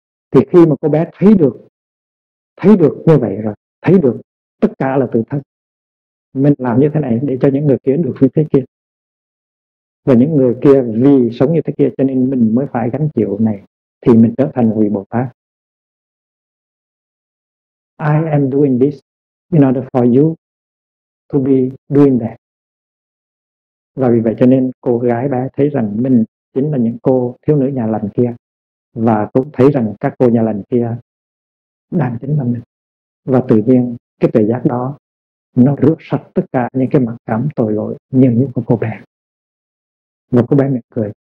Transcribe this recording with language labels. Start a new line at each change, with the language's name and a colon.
Vietnamese: Thì khi mà cô bé thấy được như vậy rồi, thấy được tất cả là tự thân mình làm như thế này để cho những người kia được như thế kia, và những người kia vì sống như thế kia cho nên mình mới phải gánh chịu này, thì mình trở thành vị Bồ Tát.
English: I am doing this in order for you to be doing that.
Vietnamese: Và vì vậy cho nên cô gái bé thấy rằng mình chính là những cô thiếu nữ nhà lành kia, và cũng thấy rằng các cô nhà lành kia đang chính là mình. Và tự nhiên cái tự giác đó nó rước sạch tất cả những cái mặc cảm tội lỗi như những cô bé. Và cô bé mỉm cười.